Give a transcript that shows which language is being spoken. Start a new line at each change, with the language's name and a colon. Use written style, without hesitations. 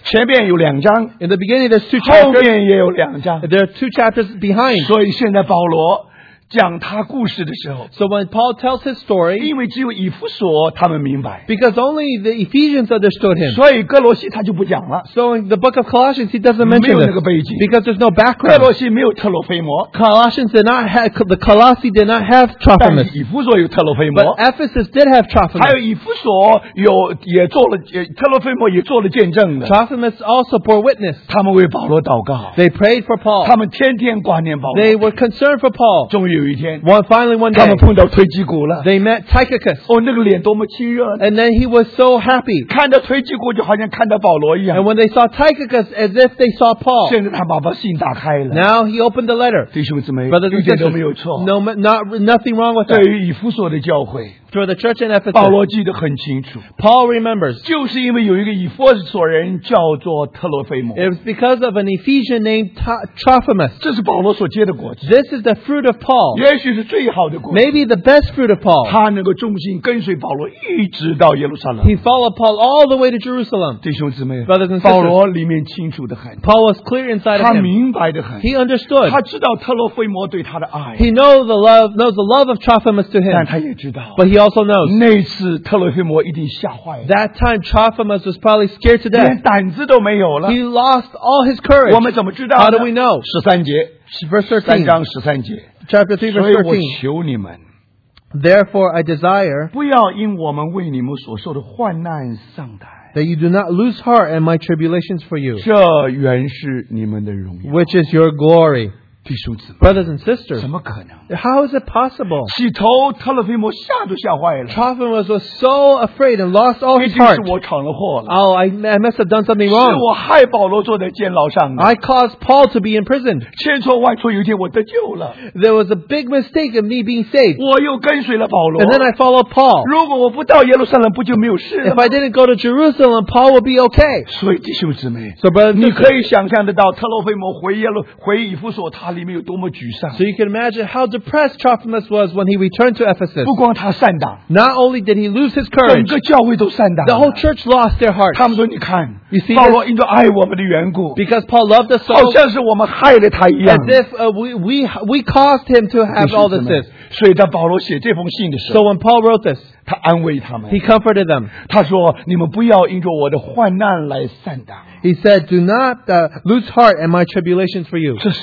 English: In the beginning there's two chapters. There are two chapters behind. So now
Chinese: Paul 讲他故事的时候，
English: so when Paul tells his story,
Chinese: 因为只有以弗所他们明白，
English: because only the Ephesians understood him,
Chinese: 所以哥罗西他就不讲了，
English: so in the book of Colossians he doesn't mention it,
Chinese: 没有那个背景，
English: because there's no background.
Chinese: 哥罗西没有特洛菲摩，
English: Colossians did not have, the Colossi did not have Trophimus,
Chinese: 但是以弗所有特洛菲摩，
English: but Ephesus did have Trophimus,
Chinese: 还有以弗所有也做了，特洛菲摩也做了见证的，
English: Trophimus also bore witness.
Chinese: 他们为保罗祷告，
English: they prayed for Paul,
Chinese: 他们天天挂念保罗，
English: they were concerned for Paul.
Chinese: 终于
English: One day,
Chinese: 他们碰到推基古了。
English: They met Tychicus.
Chinese: 哦，那个脸多么亲热。
English: And then he was so happy.
Chinese: 看到推基古就好像看到保罗一样。
English: And when they saw Tychicus, as if they saw Paul.
Chinese: 现在他把信打开了。
English: Now he opened the letter.
Chinese: 弟兄姊妹，
English: brothers and sisters,
Chinese: 一点都没有错。
English: No, nothing wrong with that.
Chinese: 对于以弗所的教会。
English: For the church in Ephesus,
Chinese: 保罗记得很清楚。
English: Paul remembers.
Chinese: 就是因为有一个以弗所人叫做特洛菲摩。
English: It was because of an Ephesian named Trophimus.
Chinese: 这是保罗所结的果子。
English: This is the fruit of Paul.
Chinese: 也许是最好的果子。
English: Maybe the best fruit of Paul.
Chinese: 他能够忠心跟随保罗一直到耶路撒冷。
English: He followed Paul all the way to Jerusalem.
Chinese: 弟兄姊妹，
English: brothers and sisters,
Chinese: 保罗里面清楚的很。
English: Paul was clear inside of him.
Chinese: 他明白的很。
English: He understood.
Chinese: 他知道特洛菲摩对他的爱。
English: He knows the love of Trophimus to him.
Chinese: 但他也知道。
English: But he also knows.
Chinese: 那次特洛菲摩一定吓坏了。
English: That time Trophimus was probably scared to death.
Chinese: 连胆子都没有了。
English: He lost all his courage.
Chinese: 我们怎么知道呢？
English: How do we know?
Chinese: 十三节。
English: Verse 13.
Chinese: 三章十三节。
English: Chapter 3 verse 13.
Chinese: 所以我求你们。
English: Therefore I desire.
Chinese: 不要因我们为你们所受的患难丧胆。
English: That you do not lose heart at my tribulations for you.
Chinese: 这原是你们的荣耀。
English: Which is your glory.
Chinese: 弟兄姊妹，
English: brothers and sisters,
Chinese: 怎么可能？
English: How is it possible?
Chinese: 起头特洛菲摩吓都吓坏了。
English: Trophimus was so afraid and lost all his heart.
Chinese: 一定是我闯了祸了。
English: Oh, I must have done something wrong.
Chinese: 是我害保罗坐在监牢上的。
English: I caused Paul to be imprisoned.
Chinese: 千错万错，有一天我得救了。
English: There was a big mistake of me being saved.
Chinese: 我又跟随了保罗。
English: And then I followed Paul.
Chinese: 如果我不到耶路撒冷，不就没有事了？
English: If I didn't go to Jerusalem, Paul would be okay.
Chinese: 所以弟兄姊妹，
English: so, brothers,
Chinese: 你可以想象得到特洛菲摩回耶路回以弗所他。里面有多么沮丧。
English: So you can imagine how depressed Trophimus was when he returned to Ephesus.
Chinese: 不光他散党。
English: Not only did he lose his courage.
Chinese: 整个教会都散党。
English: The whole church lost their hearts.
Chinese: 他们说你看。
English: You see,
Chinese: 保罗因着爱我们的缘故。
English: Because Paul loved us so.
Chinese: 好像是我们害了他一样。
English: As if we caused him to have all the sins.
Chinese: 所以当保罗写这封信的时候。
English: So when Paul wrote this.
Chinese: 他安慰他们。
English: He comforted them.
Chinese: 他说你们不要因着我的患难来散党。
English: He said, do not lose heart at my tribulations for you.